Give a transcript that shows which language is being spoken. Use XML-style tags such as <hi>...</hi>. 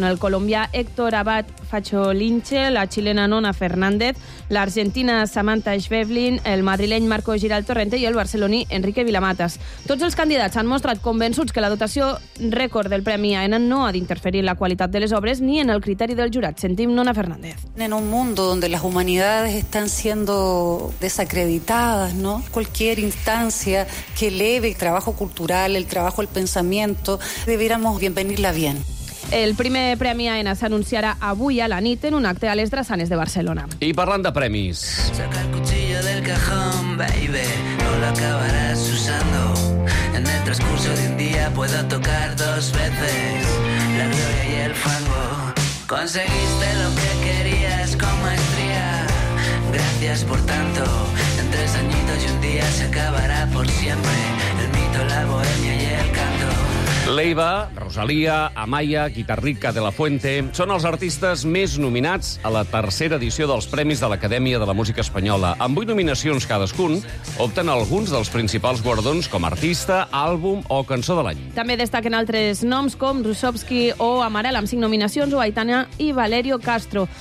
<ca>Són el colombià Héctor Abad Facholinche, la xilena Nona Fernández, l'argentina Samantha Schweblin, el madrileny Marco Giral Torrente i el barceloní Enrique Vilamatas. Tots els candidats han mostrat convençuts que la dotació rècord del Premi Aena no ha d'interferir en la qualitat de les obres ni en el criteri del jurat. Sentim Nona Fernández.</ca> <es>En un mundo donde las humanidades están siendo desacreditadas, ¿no? Cualquier instancia que eleve el trabajo cultural, el trabajo, el pensamiento, debiéramos bienvenirla bien.</es> <ca>El primer Premi Aena s'anunciarà avui a la nit en un acte a les Drassanes de Barcelona. I parlant de premis...</ca> <es>Saca el cuchillo del cajón, baby, no lo acabarás usando. En el transcurso de un día puedo tocar 2 veces la gloria y el fango. Conseguiste lo que querías con maestría. Gracias por tanto. En 3 añitos y un día se acabará por siempre el mito, la bohemia y el canto.</es> <ca>Leiva, Rosalía, Amaya, Guitarrica de la Fuente són els artistes més nominats a la 3ª edició dels Premis de l'Acadèmia de la Música Espanyola. Amb 8 nominacions cadascun, opten alguns dels principals guardons com artista, àlbum o cançó de l'any. També destaquen altres noms com Rusovski o Amaral, amb 5 nominacions, o Aitana i Valerio Castro.</ca>